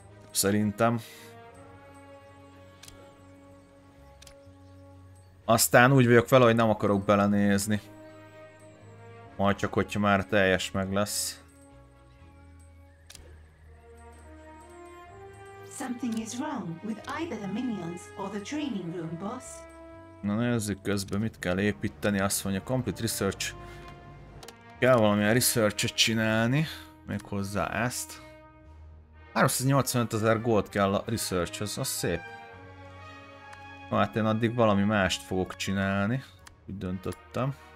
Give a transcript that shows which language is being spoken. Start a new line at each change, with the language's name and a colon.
Hungarian: Szerintem. Aztán úgy vagyok vele, hogy nem akarok belenézni. Majd csak, hogyha már teljes meg lesz.
English: Something is wrong with either the minions or the training room, boss.
Hungarian: Na nézzük közben, mit kell építeni. Azt mondja,
English: complete research.
Hungarian: Kell valamilyen research-et csinálni. Méghozzá ezt. 385 000 gold kell a research-hoz, az szép. Na hát én addig valami mást fogok csinálni. Úgy döntöttem.